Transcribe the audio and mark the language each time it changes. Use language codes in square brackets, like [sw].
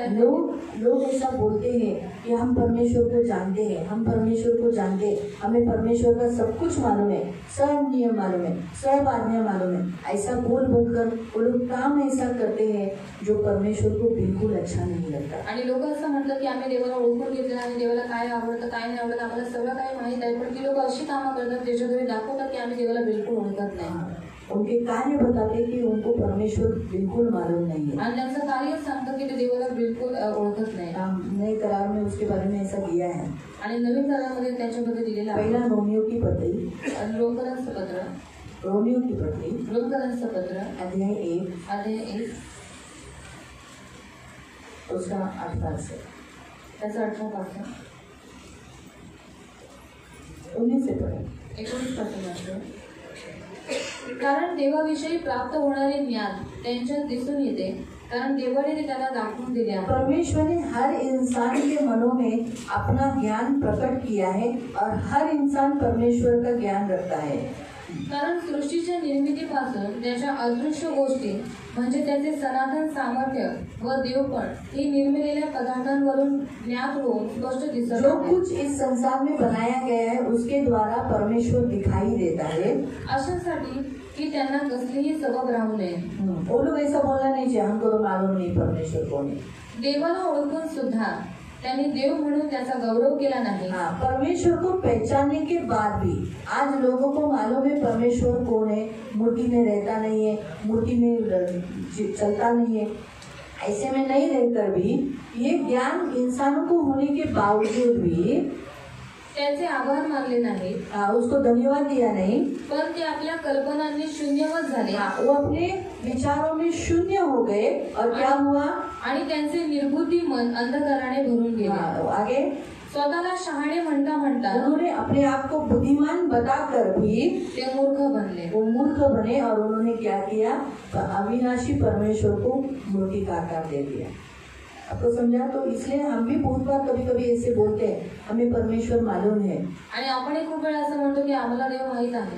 [hi] है, लोग ऐसा बोलते हैं कि हम परमेश्वर को जानते हैं, हम परमेश्वर को जानते हैं, हमें परमेश्वर का सब कुछ मालूम है, सब नियम मालूम है, सब आज्ञा मालूम है, ऐसा बोल बोल कर वो लोग काम ऐसा करते हैं जो परमेश्वर को बिल्कुल अच्छा नहीं लगता, [mr] लोग मतलब की आम्ही देवाला ओळखून घेतलं देवाला काय आवडतं काय नाही आवडतं आम्हाला सगळं काही माहित आहे, पण ती लोक अशी कामं करतात ज्याच्याद्वारे दाखवतात की आम्ही देवाला बिलकुल ओळखत नाही, [hi] उनके कार्य बताते कि उनको परमेश्वर बिल्कुल मालूम नहीं है, [mr] आणि त्यांचं कार्य सांगतं की ते देवाला बिलकुल ओळखत नाही, [hi] नए करार में उसके बारे में ऐसा दिया है, [mr] आणि नवीन करारमध्ये त्याच्याबद्दल दिलेलं [hi] आहे, पहिला रोमियो की पत्री [mr] रोमकरांचं पत्र, [hi] रोमियो की पत्री [mr] रोमकरांचं पत्र [hi] अध्याय एक [mr] अध्याय एक [hi] उसका अठारह से ऐसा अठारह पास है उन्हीं से पढ़े एक उन्हीं पास है ना, [mr] कारण देवाविषयी प्राप्त होणारे ज्ञान त्यांच्या दिसून येते, कारण देवाने त्यांना दाखवून दिले आहे, [hi] परमेश्वराने हर इंसान के मनो में अपना ज्ञान प्रकट किया है और हर इंसान परमेश्वर का ज्ञान रखता है, [mr] कारण सृष्टीच्या निर्मितीपासून त्याच्या अदृश्य गोष्टी म्हणजे त्याचे सनातन सामर्थ्य व देवपण ही निर्मिलेल्या पदार्थांवरून ज्ञात होऊन स्पष्ट दिसत, [hi] जो कुछ इस संसार में बनाया गया है उसके द्वारा परमेश्वर दिखाई देता है, [mr] अशासाठी की त्यांना कसलीही सबब राहू नये, बोलू ऐसा बोलला नाही जे हमको मालूम नाही परमेश्वर कोण, देवाला ओळखून सुद्धा त्यांनी देव म्हणून त्याचा गौरव केला नाही. [hi] परमेश्वर को पहचानने के बाद भी आज लोगों को मालूम है परमेश्वर कौन है. मूर्ति में रहता नहीं है, मूर्ति में चलता नहीं है. ऐसे में नहीं रहकर भी ये ज्ञान इंसानों को होने के बावजूद भी [mr] त्याचे आभार मानले नाही, [hi] उसको धन्यवाद दिया नाही, [mr] पण ते आपल्या कल्पनांनी शून्यवत झाले. [hi] वो अपने विचारों में शून्य हो गए और क्या हुआ, [mr] आणि त्यांचे निर्बुद्धी मन अंधकाराने भरून गेले. [hi] आगे [mr] स्वतःला शहाणे म्हणता म्हणता [hi] उन्होंने अपने आप को बुद्धिमान बताकर भी [mr] ते मूर्ख बनले. [hi] वो मूर्ख बने और उन्होंने क्या किया, अविनाशी परमेश्वर को मूर्ति का आकार दे दिया. आपको समझा? तो इसलिए हम भी बहुत बार कभी कभी ऐसे बोलते हैं, हमें परमेश्वर मालूम है, [mr] आणि आपण खूप वेळा असं म्हणतो की आम्हाला देव माहित आहे,